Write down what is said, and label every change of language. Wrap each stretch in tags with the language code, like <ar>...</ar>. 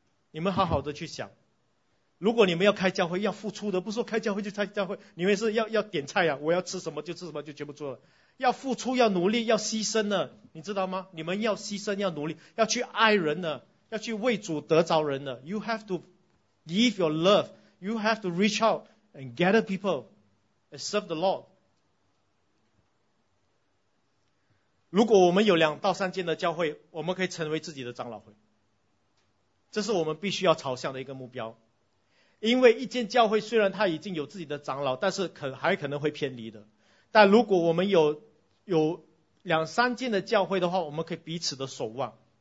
<zh>你们好好的去想，如果你们要开教会，要付出的，不说开教会就开教会，你们是要点菜啊，我要吃什么就吃什么，就全部做了。要付出，要努力，要牺牲的，你知道吗？你们要牺牲，要努力，要去爱人的。要去为主得着人的 ，</zh> <en>You have to give your love. You have to reach out and gather people and serve the Lord.</en> <zh>如果我们有两到三间的教会，我们可以成为自己的长老会。这是我们必须要朝向的一个目标。因为一间教会虽然它已经有自己的长老，但是还可能会偏离的。但如果我们有两三间的教会的话，我们可以彼此的守望。</zh>